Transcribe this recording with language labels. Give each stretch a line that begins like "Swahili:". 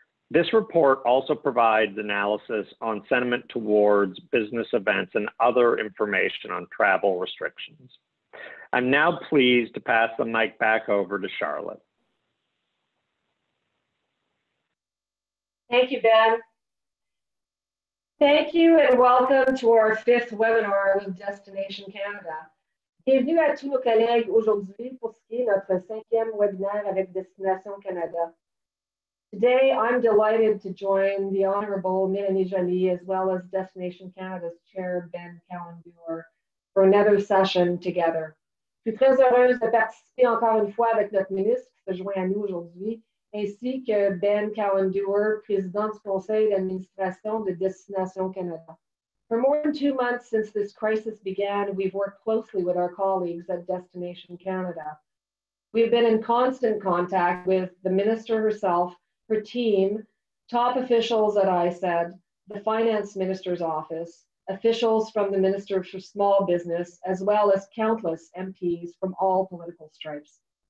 English: This report also provides analysis on sentiment towards business events and other information on travel restrictions. I'm now pleased to pass the mic back over to Charlotte. Thank you, Ben. Thank you and welcome to our fifth webinar with Destination Canada.
French: Bienvenue à tous nos collègues aujourd'hui pour ce qui est notre cinquième webinaire avec Destination Canada.
English: Today, I'm delighted to join the Honourable Mélanie Joly as well as Destination Canada's Chair Ben Cowan-Dewar for another session together.
French: Je suis très heureuse de participer encore une fois avec notre ministre qui se joint à nous aujourd'hui, ainsi que Ben Cowan-Dewar, président du conseil d'administration de Destination Canada.
English: For more than 2 months since this crisis began, we've worked closely with our colleagues at Destination Canada. We've been in constant contact with the minister herself, her team, top officials at ICED, the finance minister's office, officials from the Minister for Small Business, as well as countless MPs from all political stripes.